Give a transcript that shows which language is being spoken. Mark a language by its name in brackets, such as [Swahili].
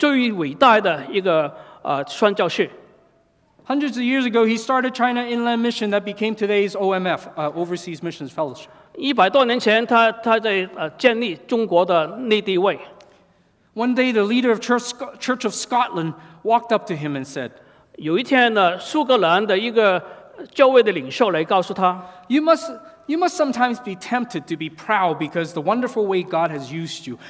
[Chinese] 戴德生是那个最伟大的一个宣教士。 [English] Hundreds of years ago, he started China Inland Mission that became today's OMF, Overseas Missions Fellowship. [Chinese] 100多年前，他在建立中国的内地位。 [English] One day, the leader of Church of Scotland walked up to him and said, [Chinese] 有一天呢，苏格兰的一个教会的领袖来告诉他， [English] You must sometimes be tempted to be proud because the wonderful way God has used you.